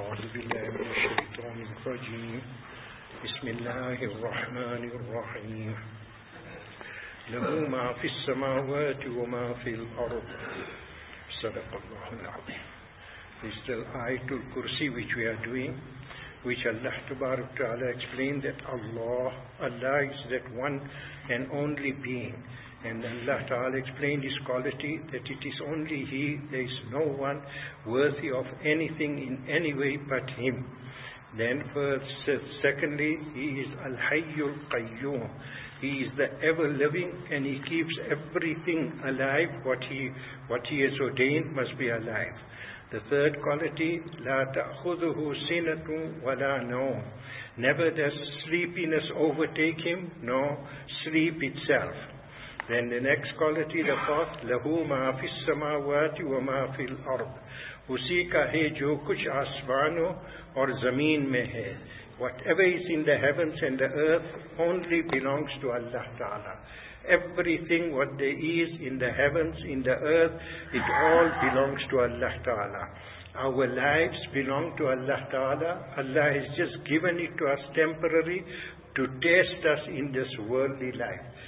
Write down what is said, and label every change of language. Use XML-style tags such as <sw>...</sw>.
<ar>بالله من الشيطان الرجيم. بسم الله الرحمن الرحيم. له ما في السماوات وما في الأرض. صدق الله العظيم.</ar> <en>This is the Ayat al-Kursi which we are doing, which Allah Tabaraka Ta'ala explained that Allah is that one and only being. And Allah Ta'ala explained His quality that it is only He, there is no one worthy of anything in any way but Him. Then first, secondly, He is Al-Hayyul Qayyum. He is the ever-living and He keeps everything alive. What he has ordained must be alive. The third quality,</en> <ar>La ta'khudhuhu sinatun wala nawm.</ar> <en>Never does sleepiness overtake Him, nor sleep itself. Then the next quality, the fourth,</en> <ar>لَهُ مَا فِي السَّمَاوَاتِ وَمَا فِي الْأَرْضِ.</ar> <ur>اُسِي کا ہے جو کچھ آسمانوں اور زمین میں ہے.</ur> <en>Whatever is in the heavens and the earth only belongs to Allah Ta'ala. Everything what there is in the heavens, in the earth, it all belongs to Allah Ta'ala. Our lives belong to Allah Ta'ala. Allah has just given it to us temporary to test us in this worldly life.</en>